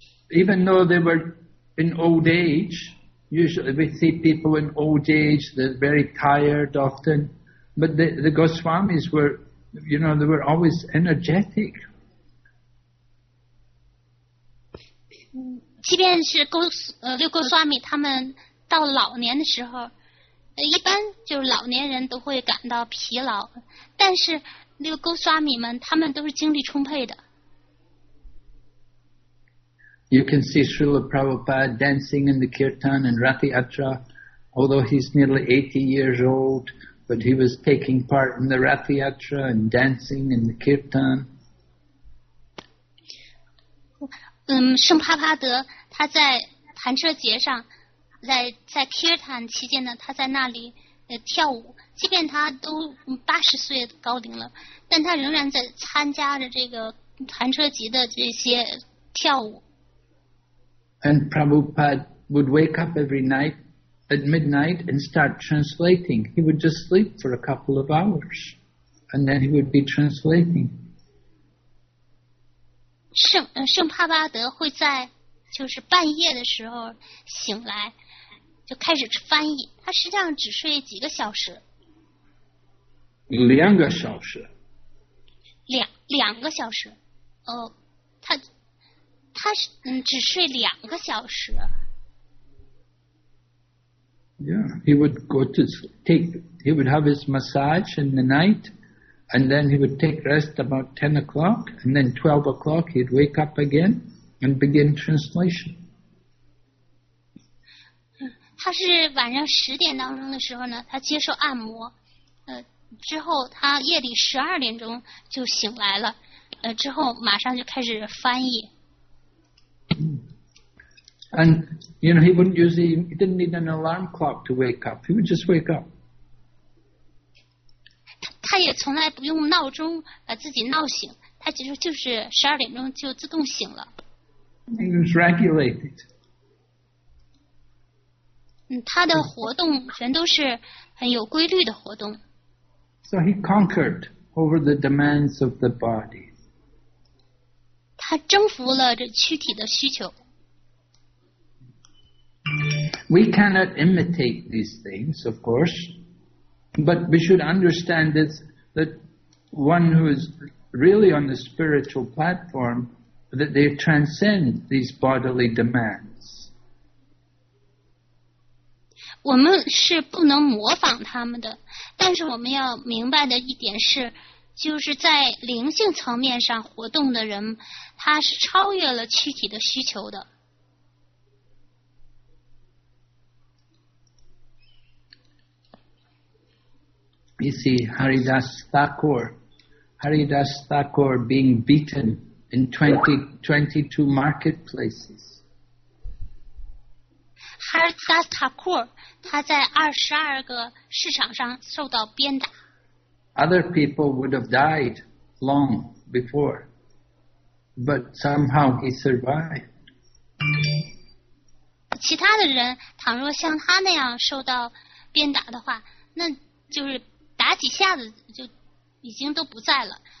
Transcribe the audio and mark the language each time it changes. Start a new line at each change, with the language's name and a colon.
English: Even though they were in old age, usually we see people in old age, they're very tired often, but the Goswamis were, you know, they were always energetic.
Chinese: 即便是六勾沙弥他们到老年的时候，一般就是老年人都会感到疲劳，但是六勾沙弥们他们都是精力充沛的。
English: You can see Srila Prabhupada dancing in the kirtan and Rathi Atra, although he's nearly 80 years old, but he was taking part in the Rathi Atra and dancing in the kirtan.
Chinese: 圣帕帕德他在弹车节上在 Kirtan 期间呢，他在那里跳舞，即便他都80岁高龄了，但他仍然在参加着这个弹车级的这些跳舞。
English: And Prabhupada would wake up every night at midnight and start translating. He would just sleep for a couple of hours, and then he would be translating.
Chinese: 圣帕巴德会在就是半夜的时候醒来。就开始翻译，他实际上只睡几个小时。两个小时。两个小时，哦，他只睡两个小时。
English: Yeah, he would go to take, he would have his massage in the night, and then he would take rest about 10 o'clock, and then 12 o'clock he'd wake up again and begin translation.
Chinese: 他是晚上10点当中的时候呢，他接受按摩，之后他夜里12点就醒来了，之后马上就开始翻译。
English: And you know he wouldn't use he didn't need an alarm clock to wake up. He would just wake up.
Chinese: 他也从来不用闹钟把自己闹醒，他其实就是12点就自动醒了。
English: He was regulated.
Chinese: 他的活动全都是很有规律的活动。
English: So he conquered over the demands of the body.
Chinese: 他征服了这躯体的需求。
English: We cannot imitate these things, of course, but we should understand this, that one who is really on the spiritual platform, that they transcend these bodily demands.
Chinese: 我们是不能模仿他们的，但是我们要明白的一点是，就是在灵性层面上活动的人，他是超越了躯体的需求的。
English: You see, Haridas Thakur, Haridas Thakur being beaten in 22 marketplaces.
Chinese: Haridas Thakur, 他在22个市场上受到鞭打。
English: Other people would have died long before, but somehow he survived.
Chinese: 其他的人倘若像他那样受到鞭打的话，那就是打几下子就已经都不在了。